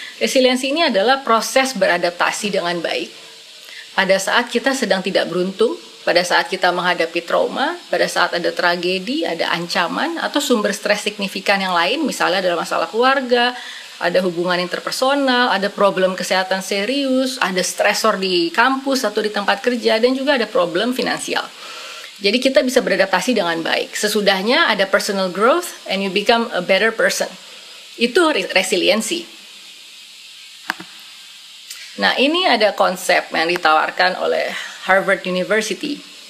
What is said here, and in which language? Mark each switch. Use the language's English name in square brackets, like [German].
[Indonesian] Resiliensi ini adalah proses beradaptasi dengan baik. Pada saat kita sedang tidak beruntung, pada saat kita menghadapi trauma, pada saat ada tragedi, ada ancaman, atau sumber stres signifikan yang lain, misalnya dalam masalah keluarga, ada hubungan interpersonal, ada problem kesehatan serius, ada stresor di kampus atau di tempat kerja, dan juga ada problem finansial. Jadi kita bisa beradaptasi dengan baik. Sesudahnya ada [English] personal growth and you become a better person. [Indonesian] Itu resiliensi. Nah, ini ada konsep yang ditawarkan oleh Harvard University.